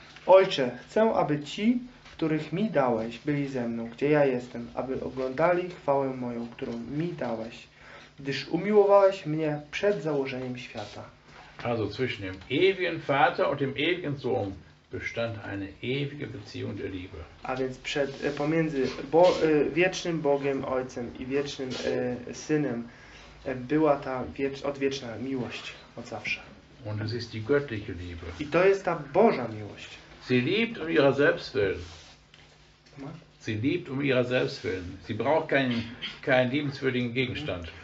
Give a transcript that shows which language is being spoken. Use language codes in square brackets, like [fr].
[pl] Ojcze, chcę, aby ci, których mi dałeś, byli ze mną, gdzie ja jestem, aby oglądali chwałę moją, którą mi dałeś, gdyż umiłowałeś mnie przed założeniem świata. [de] Also zwischen dem ewigen Vater und dem ewigen Sohn bestand eine ewige Beziehung der Liebe. [pl] A więc pomiędzy wiecznym Bogiem Ojcem i wiecznym Synem była ta odwieczna miłość od zawsze. [de] Und es ist die göttliche Liebe. [pl] I to jest ta Boża miłość. [de] Sie liebt um ihrer selbst willen. Sie liebt um ihrer selbst willen. Sie braucht keinen liebenswürdigen Gegenstand.